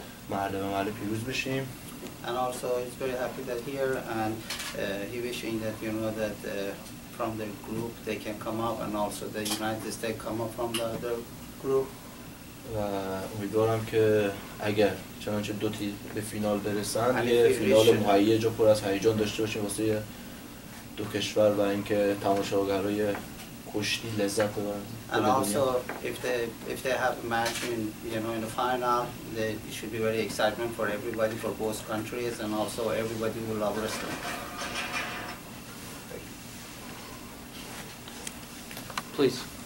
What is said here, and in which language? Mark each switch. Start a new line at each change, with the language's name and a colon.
English: And also, he's very happy that here, and he wishing that you know that from the group they can come up, and also the United States come up from the other group.
Persian: امیدوارم که اگر چنانچه دو تیم به فینال برسند، یه فینال مهیج و پر از هیجان داشته باشیم واسه دو کشور و اینکه تماشاگرای کشتی لذت ببرند.
English: And also, if they have a match in you know in the final, they, it should be very excitement for everybody, for both countries, and also everybody will love wrestling. Please.